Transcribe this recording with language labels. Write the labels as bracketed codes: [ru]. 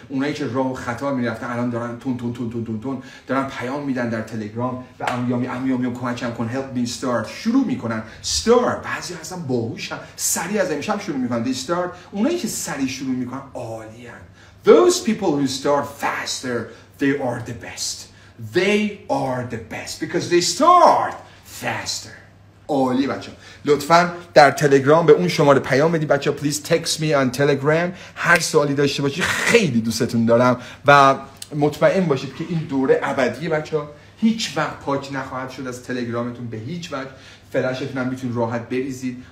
[fa] اونایی که راه خطا میرفتن الان دارن تون دارن پیام میدن در تلگرام و امیامیام کمکم کن. [en] Help me start. [fa] شروع میکنن. [en] Start. [fa] بعضی هستن باهوشن. سریع از امشب شروع میکنن. [en] They start. [fa] اونایی که سریع شروع میکنن عالیان. [en] Those people who start faster, they are the best. They are the best because they start faster. [fa] عالی بچه. لطفاً در تلگرام به اون شماره پیام بدید بچه. [en] Please text me on Telegram. [fa] هر سوالی داشته باشید خیلی دوستتون دارم و مطمئن باشید که این دوره ابدیه بچه. هیچ وقت پاک نخواهد شد از تلگرامتون به هیچ وقت. فلشتون هم میتونید راحت بریزید.